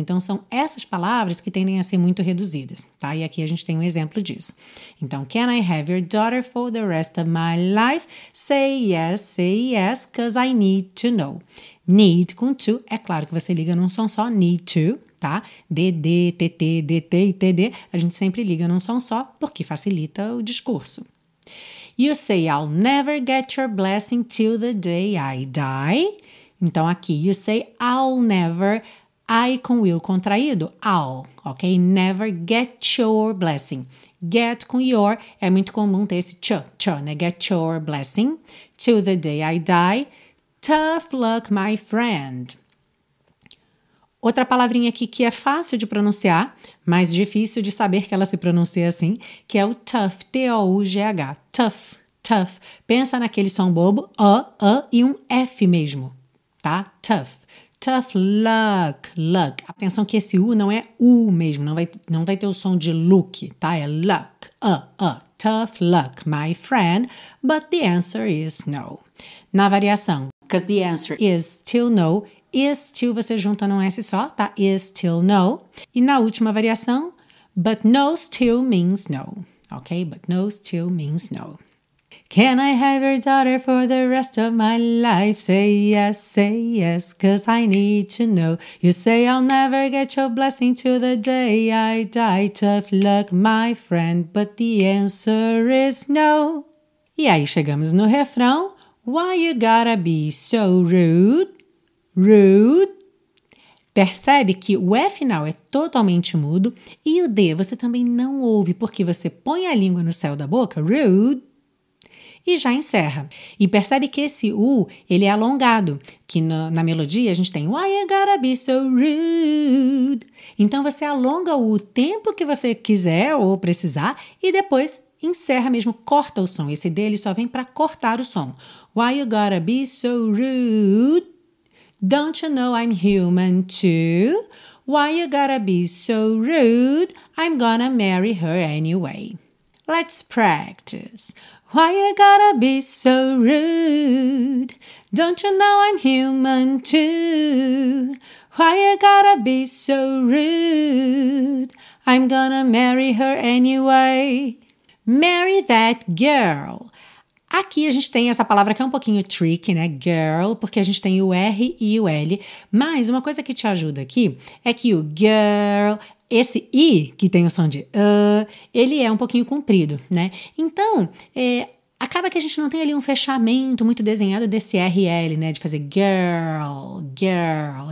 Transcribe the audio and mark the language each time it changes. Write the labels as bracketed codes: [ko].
[pt] Então, são essas palavras que tendem a ser muito reduzidas, tá? E aqui a gente tem um exemplo disso. [en] Então, can I have your daughter for the rest of my life? Say yes, 'cause I need to know. [pt] Need com to, é claro que você liga num som só, [en] need to, [pt] tá? D, D, T, T, D, T e T, D, a gente sempre liga num som só, porque facilita o discurso. [en] You say I'll never get your blessing till the day I die. [pt] Então, aqui, [en] you say I'll never... I com will [pt] contraído, [en] I'll, ok? Never get your blessing. Get com your, [pt] é muito comum ter esse tch, tch, né? [en] Get your blessing till the day I die. Tough luck, my friend. [pt] Outra palavrinha aqui que é fácil de pronunciar, mas difícil de saber que ela se pronuncia assim, que é o tough, T-O-U-G-H, tough, tough. Pensa naquele som bobo, a, e um F mesmo, tá? Tough. [en] Tough luck, luck. [pt] Atenção que esse U não é U mesmo, não vai ter o som de look, tá? [en] É luck, tough luck, my friend, but the answer is no. [pt] Na variação, [en] 'cause the answer is still no, is still [pt] você junta num S só, tá? [en] Is still no. [pt] E na última variação, [en] but no still means no, ok? But no still means no. Can I have your daughter for the rest of my life? Say yes, 'cause I need to know. You say I'll never get your blessing till the day I die. Tough luck, my friend, but the answer is no. [pt] E aí chegamos no refrão. [en] Why you gotta be so rude? Rude. [pt] Percebe que o E final é totalmente mudo e o D você também não ouve porque você põe a língua no céu da boca, rude. E já encerra. E percebe que esse U, ele é alongado. Que na melodia a gente tem [en] Why you gotta be so rude? [pt] Então você alonga o U tempo que você quiser ou precisar e depois encerra mesmo, corta o som. Esse D ele só vem para cortar o som. [en] Why you gotta be so rude? Don't you know I'm human too? Why you gotta be so rude? I'm gonna marry her anyway. Let's practice. Why you gotta be so rude? Don't you know I'm human too? Why you gotta be so rude? I'm gonna marry her anyway. Marry that girl. [pt] Aqui a gente tem essa palavra que é um pouquinho tricky, né? Girl, porque a gente tem o R e o L. Mas uma coisa que te ajuda aqui é que o girl... Esse I, que tem o som de ele é um pouquinho comprido, né? Então, acaba que a gente não tem ali um fechamento muito desenhado desse RL, né? De fazer girl, girl.